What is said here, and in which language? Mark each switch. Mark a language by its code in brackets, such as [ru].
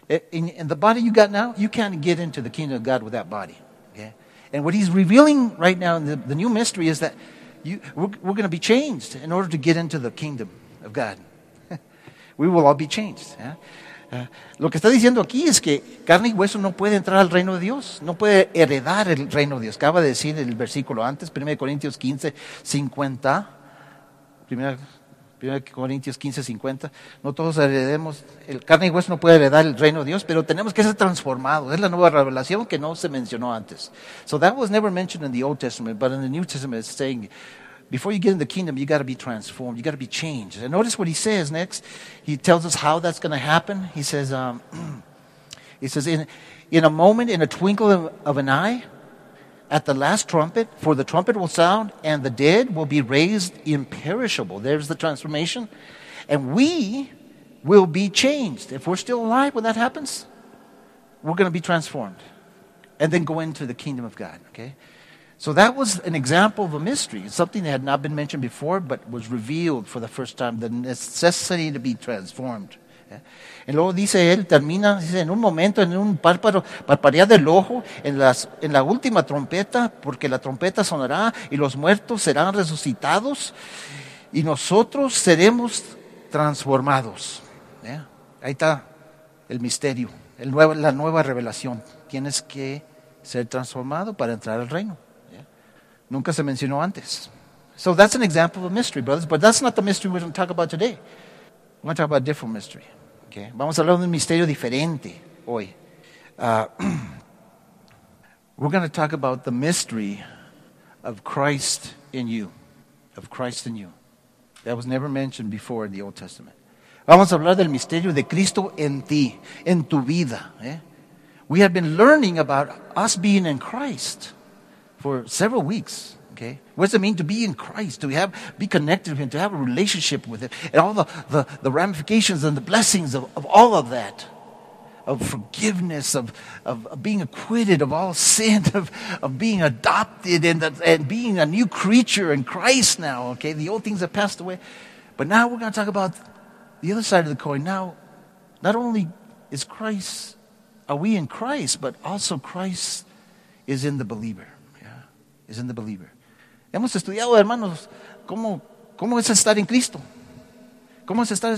[en] In the body you got now, you can't get into the kingdom of God with that body. Okay? And what he's revealing right now in the new mystery is that we're going to be changed in order to get into the kingdom of God. We will all be changed. Yeah? [es] Lo que está diciendo aquí es que carne y hueso no puede entrar al reino de Dios, no puede heredar el reino de Dios. Acaba de decir el versículo antes, 1 Corintios 15:50. 1 Corintios 15:50. No todos heredemos, el carne y hueso no puede heredar el reino de Dios, pero tenemos que ser transformados. Es la nueva revelación que no se mencionó antes. [en] So that was never mentioned in the Old Testament, but in the New Testament it's saying, before you get in the kingdom, you got to be transformed. You got to be changed. And notice what he says next. He tells us how that's going to happen. He says, in a moment, in a twinkle of an eye, at the last trumpet, for the trumpet will sound, and the dead will be raised imperishable. There's the transformation. And we will be changed. If we're still alive when that happens, we're going to be transformed. And then go into the kingdom of God, okay? So that was an example of a mystery, something that had not been mentioned before, but was revealed for the first time, the necessity to be transformed. [es] Y luego dice él, termina, dice, en un momento, en un parpadear del ojo, en la última trompeta, porque la trompeta sonará y los muertos serán resucitados y nosotros seremos transformados. Yeah. Ahí está el misterio, el nuevo, la nueva revelación. Tienes que ser transformado para entrar al reino. ¿Ya? Nunca se mencionó antes. [en] So that's an example of a mystery, brothers. But that's not the mystery we're going to talk about today. We're going to talk about a different mystery. Okay? [es] Vamos a hablar de un misterio diferente hoy. [en] We're going to talk about the mystery of Christ in you. Of Christ in you. That was never mentioned before in the Old Testament. [es] Vamos a hablar del misterio de Cristo en ti, en tu vida. ¿Eh? [en] We have been learning about us being in Christ for several weeks. Okay? What does it mean to be in Christ? To have, be connected with Him, to have a relationship with Him. And all the ramifications and the blessings of all of that. Of forgiveness, of being acquitted of all sin, of being adopted and being a new creature in Christ now. Okay, the old things have passed away. But now we're going to talk about the other side of the coin. Now, not only is Christ, are we in Christ, but also Christ is in the believer. Yeah, is in the believer. [es] Hemos estudiado, hermanos, cómo es estar en Cristo. ¿Cómo es estar?